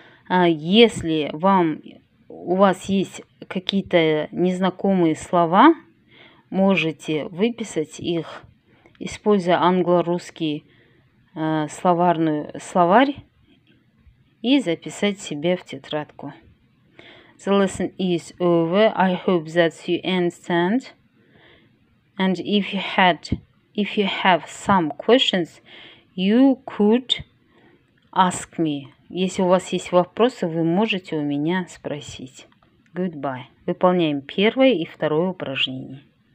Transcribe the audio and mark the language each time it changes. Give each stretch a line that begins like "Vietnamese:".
Russian: Если у вас есть какие-то незнакомые слова, можете выписать их, используя англо-русский словарь и записать себе в тетрадку.
English: The lesson is over. I hope that you understand. And if you have some questions, you could ask me.
Russian: Если у вас есть вопросы, вы можете у меня спросить.
English: Goodbye.
Russian: Выполняем первое и второе упражнение.